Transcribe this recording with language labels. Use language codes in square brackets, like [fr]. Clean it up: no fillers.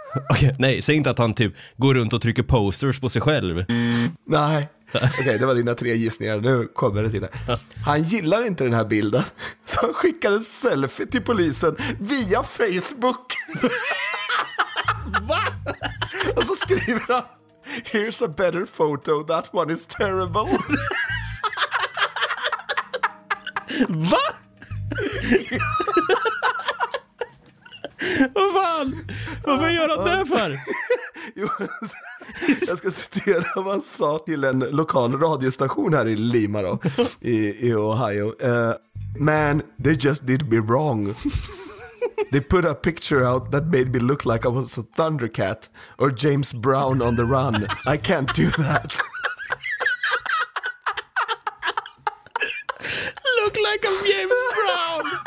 [sv] Okej, nej, säg inte att han typ går runt och trycker posters på sig själv. Nej, okej, det var dina tre gissningar. Nu kommer det till det. Han gillar inte den här bilden, så han skickar en selfie till polisen via Facebook. Va? Och så skriver han: [en] "Here's a better photo, that one is terrible." [sv] Va? Vad fan? Varför gör han det för? Jo, jag ska citera vad han sa till en lokal radiostation här i Lima då, i Ohio. [en] "Man, they just did me wrong. They put a picture out that made me look like I was a Thundercat or James Brown on the run. I can't do that." Look like I'm James Brown.